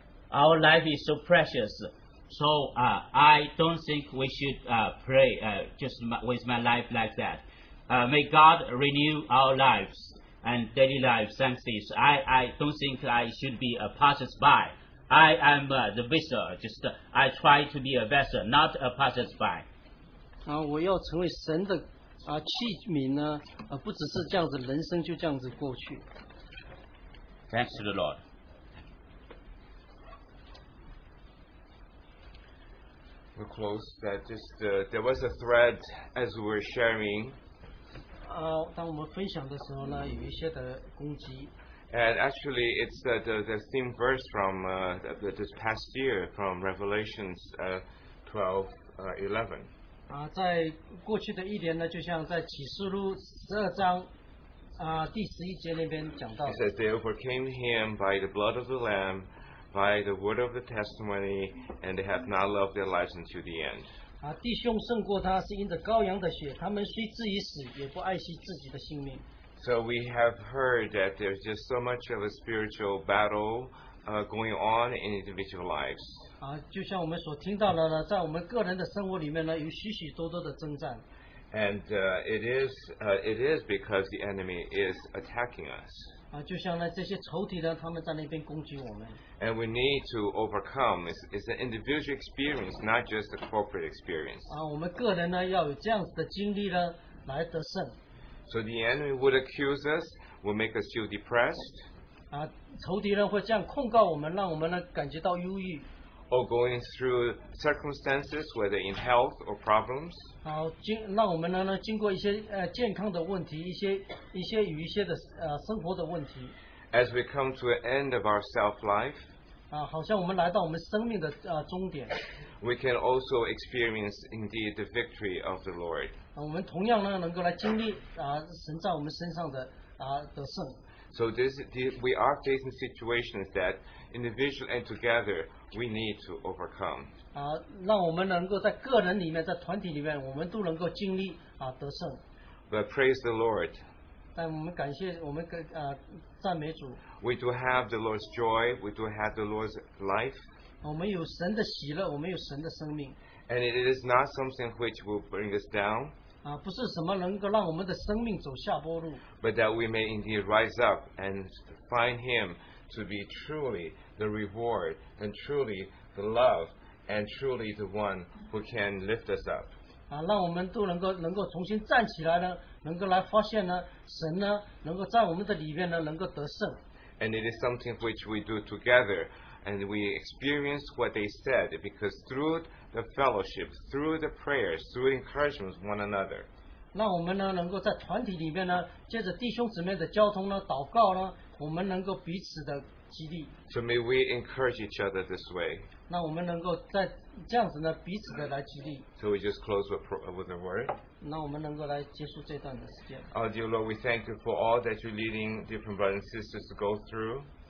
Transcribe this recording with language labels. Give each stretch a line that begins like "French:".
English: Our life is so precious. So I don't think we should pray with my life like that. May God renew our lives and daily lives. Thanks, this. I don't think I should be a passersby. I am the vessel. I try to be a vessel, not a passersby.
Chinese: 我要成为神的器皿呢，不只是这样子，人生就这样子过去。
English: Thanks to the Lord. We close that. Just there was a thread as we were sharing.
Chinese: 当我们分享的时候呢，有一些的攻击。
English: And actually, it's the theme verse from this past year from Revelations 12:11.
Chinese: 在过去的一年呢，就像在启示录十二章第十一节那边讲到。
English: He says they overcame him by the blood of the Lamb. By the word of the testimony, and they have not loved their lives until the end.
Chinese: 弟兄胜过他是因着羔羊的血，他们虽至于死，也不爱惜自己的性命。
English: So we have heard that there's just so much of a spiritual battle, going on in individual lives.
Chinese: 就像我们所听到的呢，在我们个人的生活里面呢，有许许多多的征战。
English: And it is because the enemy is attacking us.
Chinese: 就像这些仇敌呢，他们在那边攻击我们。
English: And we need to overcome. It's an individual experience, not just a corporate experience.
Chinese: 我们个人呢要有这样子的经历呢来得胜。
English: So the enemy would accuse us, would make us feel depressed.
Chinese: 仇敌呢会这样控告我们，让我们呢感觉到忧郁。
English: Or going through circumstances, whether in health or problems.
Chinese: 让我们呢经过一些健康的问题，一些与一些的生活的问题。
English: As we come to an end of our self life.
Chinese: 好像我们来到我们生命的终点。
English: We can also experience indeed the victory of the Lord.
Chinese: 我们同样呢能够来经历神在我们身上的得胜。
English: So we are facing situations that individually and together. We need to overcome.
Chinese: 让我们能够在个人里面，在团体里面，我们都能够经历得胜。
English: But praise the Lord.
Chinese: 但我们感谢我们赞美主。
English: We do have the Lord's joy. We do have the Lord's life.
Chinese: 我们有神的喜乐，我们有神的生命。
English: And it is not something which will bring us down.
Chinese: 不是什么能够让我们的生命走下坡路。
English: But that we may indeed rise up and find Him to be truly. The reward and truly the love and truly the one who can lift us up.
Chinese: 让我们都能够重新站起来呢，能够来发现呢，神呢能够在我们的里面呢能够得胜。
English: And it is something which we do together, and we experience what they said because through the fellowship, through the prayers, through encouragement with one another.
Chinese: 让我们呢能够在团体里面呢，借着弟兄姊妹的交通呢，祷告呢，我们能够彼此的。
English: So may we encourage each other this way.
Chinese: 那我们能够在这样子呢，彼此的来激励。
English: So we just close with a word.
Chinese: 那我们能够来结束这段的时间。
English: Oh dear Lord, we thank you for all that you're leading different brothers and sisters to go through.